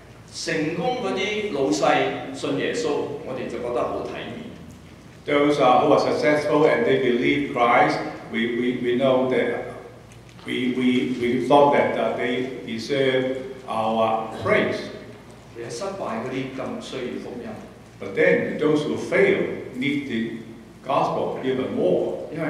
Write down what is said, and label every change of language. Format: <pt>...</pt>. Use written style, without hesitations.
<yue>成功嗰啲老細信耶穌，我哋就覺得好體面。</yue> <en>Those who are successful and they believe Christ, we know that we thought that they deserve our praise.</en> <yue>其實失敗嗰啲更需要福音。</yue> <en>But then those who fail need the gospel even more.</en>